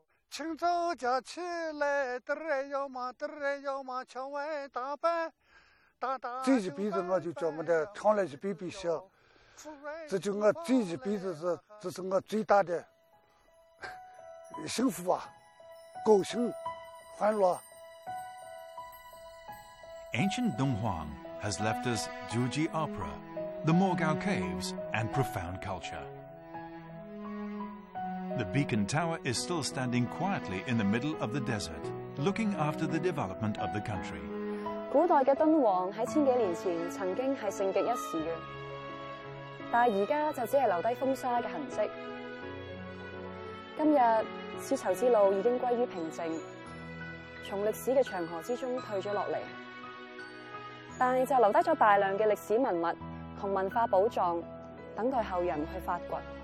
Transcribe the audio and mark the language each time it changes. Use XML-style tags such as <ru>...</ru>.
<zh>清早驾起来，嘚儿哟嘛，嘚儿哟嘛，敲碗打板，这一辈子我就这么的唱了一辈辈戏，这就我这一辈子是这是我最大的幸福啊，高兴欢乐。</zh> <en>Ancient Donghuang has left us Zhuji Opera, the Morgao Caves, and profound culture. The Beacon Tower is still standing quietly in the middle of the desert, looking after the development of the country.</en> <zh>古代的敦煌在千多年前曾经是盛极一时的，但现在就只是留下风沙的痕迹。今日丝绸之路已经归于平静，从历史的长河之中退了下来，但是就留下了大量的历史文物和文化宝藏，等待后人去发掘。</zh>